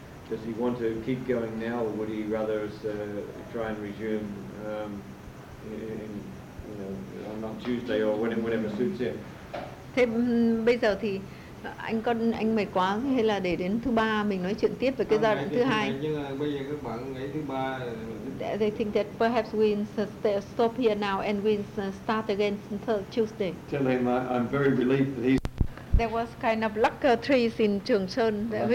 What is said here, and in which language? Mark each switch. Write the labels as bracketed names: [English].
[English] Does he want to keep going now, or would he rather try and resume on Tuesday or whenever suits him? [Vietnamese] Thế bây giờ thì. Anh con anh mệt quá hay là để đến thứ ba mình nói chuyện tiếp về cái giai đoạn thứ hai. Nhưng bây giờ các bạn nghĩ thứ ba. [English] They think that perhaps we stop here now and we start again until Tuesday. Tell him I'm very relieved that he's. There was kind of luck trees in Trường Sơn.